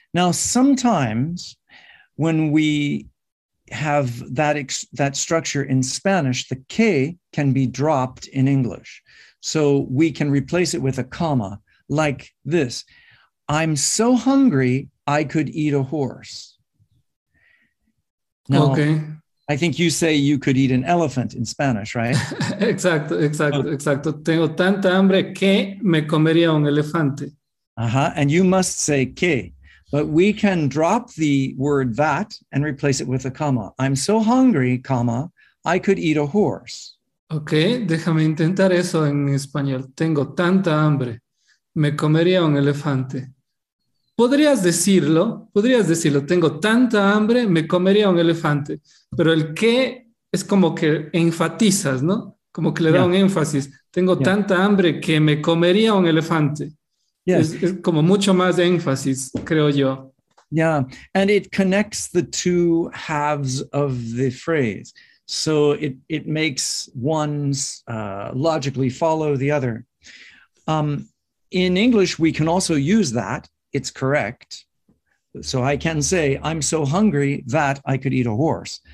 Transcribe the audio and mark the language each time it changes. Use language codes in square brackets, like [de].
[en] Now, sometimes when we have that structure in Spanish, the que can be dropped in English. So we can replace it with a comma like this. I'm so hungry, I could eat a horse. Now, okay. I think you say you could eat an elephant in Spanish, right? [es] Exacto, exacto, oh. exacto. Tengo tanta hambre que me comería un elefante. [en] Uh-huh. And you must say que. But we can drop the word that and replace it with a comma. I'm so hungry, comma, I could eat a horse. [es] Okay, déjame intentar eso en español. Tengo tanta hambre. Me comería un elefante. Podrías decirlo, podrías decirlo. Tengo tanta hambre, me comería un elefante. Pero el qué es como que enfatizas, ¿no? Como que le da un énfasis. Tengo tanta hambre que me comería un elefante. Es como mucho más de énfasis, creo yo. [en] Yeah, and it connects the two halves of the phrase. So it makes one's logically follow the other. In English, we can also use that. It's correct. So I can say, I'm so hungry that I could eat a horse.